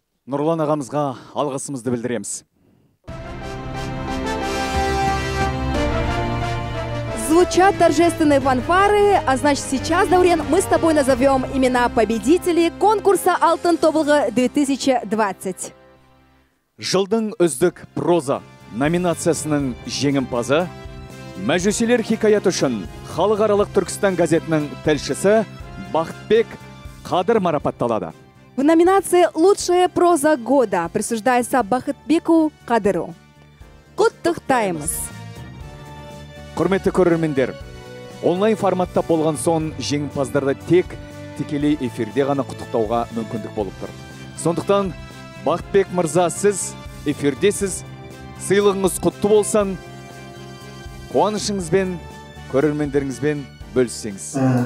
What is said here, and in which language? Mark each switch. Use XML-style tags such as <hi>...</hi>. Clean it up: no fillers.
<kk>Нурлан ағамызға алғысымызды білдіреміз.</kk> <ru>Звучат торжественные фанфары, а значит сейчас, Даурен, мы с тобой назовем имена победителей конкурса «Алтын тобылғы 2020».</ru> <kk>Жылдың үздік проза номинациясының жеңімпазы, мәжүсілер хикаят үшін халықаралық Түркістан газетінің тілшісі Бақытбек Қадыр марапатталады.</kk> <ru>В номинации «Лучшая проза года» присуждается Бахытбеку Кадыру.</ru> <kk>Құттықтаймыз! Құрметті көрермендер, онлайн форматта болған соң жеңімпаздарды тек тікелей эфирде ғана құттықтауға мүмкіндік болып тұр. Сондықтан Бақытбек мырза, сіз эфирдесіз, сыйлығыңыз құтты болсан, қуанышыңызбен, көрермендеріңізбен бөліссеңіз.</kk>